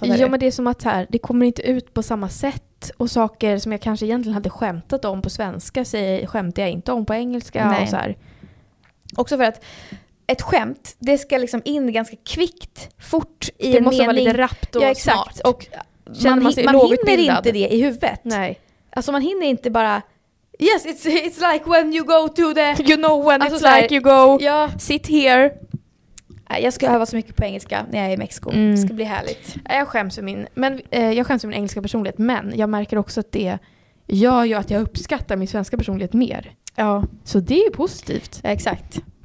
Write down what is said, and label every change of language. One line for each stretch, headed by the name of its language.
Swedish: Ja, men det är som att här, det kommer inte ut på samma sätt. Och saker som jag kanske egentligen hade skämtat om på svenska skämtar jag inte om på engelska. Nej. Och så här. Också för att ett skämt, det ska liksom in ganska kvickt, fort i det en mening. Det måste vara lite rappt och smart. Och man hinner inte det i huvudet. Nej. Alltså man hinner inte bara.
English: Yes, it's like when you go to the. You know when alltså it's like här, you go.
Swedish: Ja.
English: Sit here.
Swedish: Jag ska öva så mycket på engelska när jag är i Mexiko. Mm. Det ska bli härligt. Jag skäms för min engelska personlighet. Men jag märker också att det gör ju att jag uppskattar min svenska personlighet mer. Ja. Så det är ju positivt. Ja, exakt.